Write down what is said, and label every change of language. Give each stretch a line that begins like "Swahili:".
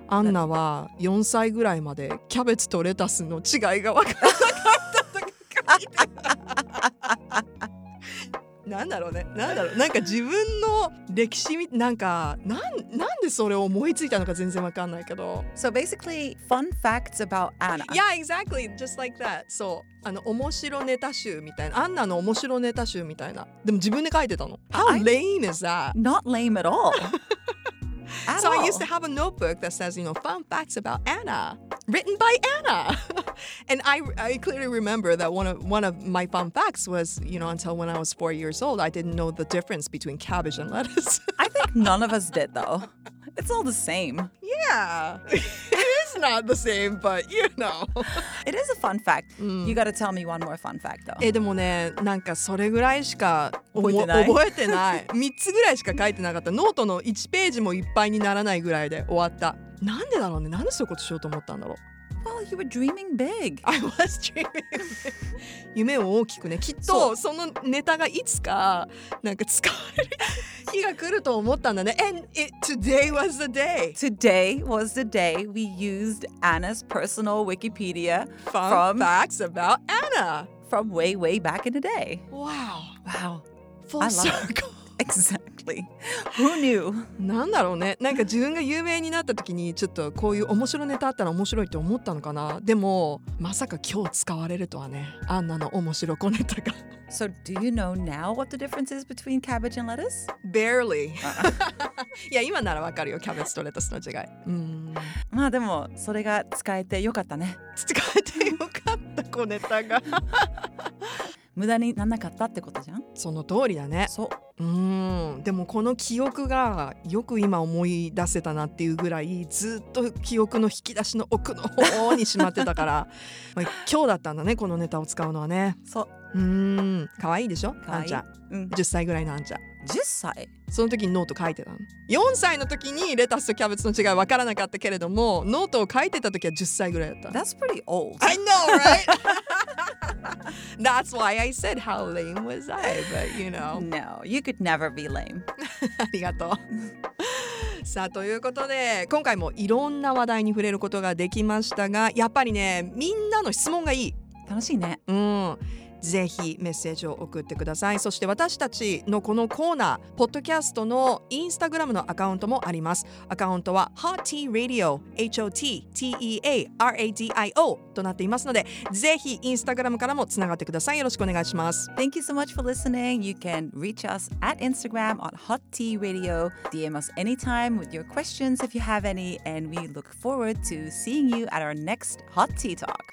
Japanese: アンナは4歳ぐらいまでキャベツとレタスの違いが分からなかったとか書いて、なんだろうね、なんだろう、なんか自分の歴史み、なんかなんでそれを思いついたのか全然わかんないけど。
English: So basically, fun facts about Anna. Yeah, exactly, just like that.
Japanese: そう、あの面白ネタ集みたいな、アンナの面白ネタ集みたいな。でも自分で書いてたの。
English: How lame is that? Not lame at all. At all. So I used to have a notebook that says, you know, fun facts about Anna, written by Anna. And I clearly remember that one of my fun facts was, you know, until when I was 4 years old, I didn't know the difference between cabbage and lettuce. I think none of us did, though. It's all the same. Yeah. It is not the same, but you know. It is a fun fact. You got to tell me one more fun fact, though.
Japanese: でもね、なんかそれぐらいしか覚えてない。 3つぐらいしか書いてなかった。ノートの1ページもいっぱいにならないぐらいで終わった。なんでだろうね。なんでそういうことしようと思ったんだろう。
English: Well, you were dreaming big. I was dreaming big.
Japanese: 夢を大きくね。きっとそのネタがいつかなんか使える日が来ると思ったんだね。
English: Today was the day. Today was the day we used Anna's personal Wikipedia fun facts about Anna from way, way back in the day. Wow. Wow. Full circle. Exactly. Who knew?
Japanese: なんだろうね、なんか自分が有名になった時にちょっとこういう面白いネタあったら面白いって思ったのかな。でもまさか今日使われるとはね、アンナの面白小ネタが。
English: So do you know now what the difference is between cabbage and lettuce? Barely.
Japanese: いや今ならわかるよ、キャベツとレタスの違い。まあでもそれが使えてよかったね。使えてよかった小ネタが。無駄にならなかったってことじゃん。その通りだね。そう、うん、でもこの記憶がよく今思い出せたなっていうぐらいずっと記憶の引き出しの奥の方にしまってたから今日だったんだねこのネタを使うのはね。そう、うん、かわいいでしょ。かわいい、あんちゃん、うん、10歳ぐらいのあんちゃん。 10歳。その時にノート書いてたの。4歳の時にレタスとキャベツの違い分からなかったけれどもノートを書いてた時は10歳ぐらいだった。
English: That's pretty old. I know, right? That's why I said how lame was I, but you know. No, you could never be lame.
Japanese: ありがとう。さあということで今回もいろんな話題に触れることができましたが、やっぱりねみんなの質問がいい。楽しいね。うん、ぜひメッセージを送ってください。そして私たちのこのコーナーポッドキャストのインスタグラムのアカウントもあります。アカウントは Hot Tea Radio HOTTEARADIO となっていますので、ぜひインスタグラムからもつながってください。よろしくお願いします。
English: Thank you so much for listening. You can reach us at Instagram on Hot Tea Radio. DM us anytime with your questions if you have any, and we look forward to seeing you at our next Hot Tea Talk.